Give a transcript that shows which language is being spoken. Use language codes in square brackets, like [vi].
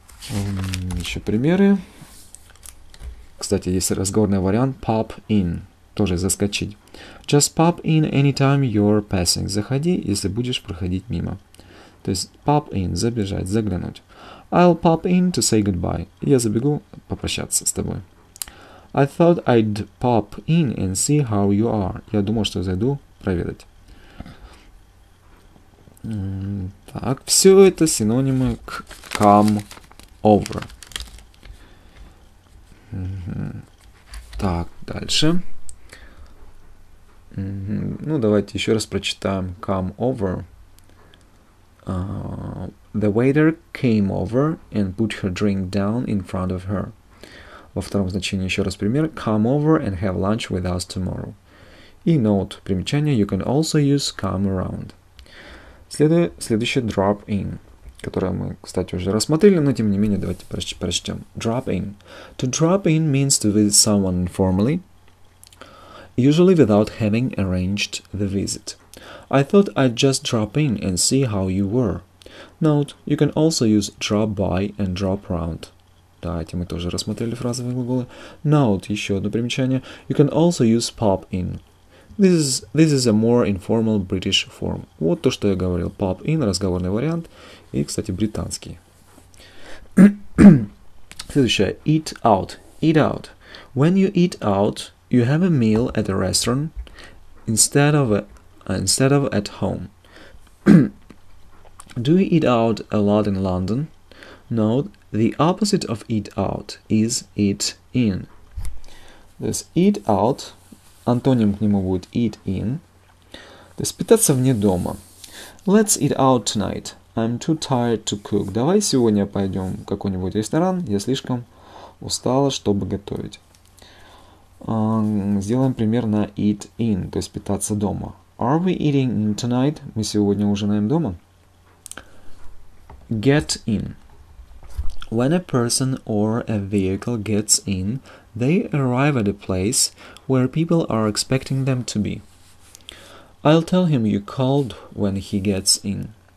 [ru] Еще примеры. Кстати, есть разговорный вариант pop in. Тоже заскочить. [en] Just pop in anytime you're passing. [ru] Заходи, если будешь проходить мимо. То есть pop in, забежать, заглянуть. [en] I'll pop in to say goodbye. [ru] Я забегу попрощаться с тобой. [en] I thought I'd pop in and see how you are. [ru] Я думал, что зайду проведать. Так, все это синонимы к come over. Так, дальше. Ну, давайте еще раз прочитаем come over. [en] The waiter came over and put her drink down in front of her. [ru] Во втором значении еще раз пример. [en] Come over and have lunch with us tomorrow. И note, примечание, you can also use come around. [ru] Следующее drop in, которое мы, кстати, уже рассмотрели, но тем не менее давайте прочтем. [en] Drop in. To drop in means to visit someone informally, usually without having arranged the visit. I thought I'd just drop in and see how you were. Note, you can also use drop by and drop round. [ru] Да, эти мы тоже рассмотрели фразовые глаголы. Note, еще одно примечание. [en] You can also use pop in. This is a more informal British form. [ru] Вот то, что я говорил. Pop in, разговорный вариант. И, кстати, британский. Следующее. Eat out. Eat out. [en] When you eat out, you have a meal at a restaurant instead of at home. Do you eat out a lot in London? No, the opposite of eat out is eat in. [ru] То есть eat out, антоним к нему будет eat in. То есть питаться вне дома. [en] Let's eat out tonight. I'm too tired to cook. [ru] Давай сегодня пойдем в какой-нибудь ресторан. Я слишком устала, чтобы готовить. Сделаем пример на eat in, то есть питаться дома. [en] Are we eating tonight? [ru] Мы сегодня ужинаем дома? [en] Get in. When a person or a vehicle gets in, they arrive at a place where people are expecting them to be. I'll tell him you called when he gets in.